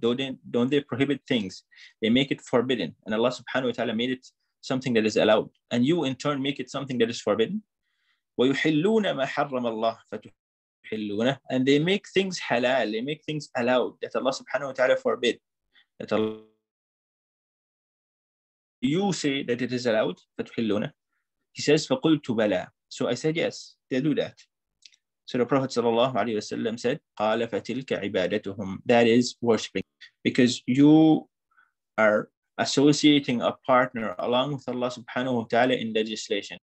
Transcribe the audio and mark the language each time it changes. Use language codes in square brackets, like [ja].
[en] Don't they prohibit things? They make it forbidden. And Allah subhanahu wa ta'ala made it something that is allowed. And you in turn make it something that is forbidden. [ar] وَيُحِلُّونَ مَا حَرَّمَ اللَّهُ فَتُحِلُّونَهُ. [en] And they make things halal. They make things allowed that Allah subhanahu wa ta'ala forbid. That Allah, you say that it is allowed. [ar] فَتُحِلُّونَهُ. [en] He says, [ar] فَقُلْتُ بَلَى. [en] So I said, yes, they do that. So the Prophet sallallahu alaihi wasallam said, "Qala fatilka ibadatuhum." That is worshiping, because you are associating a partner along with Allah subhanahu wa ta'ala in legislation.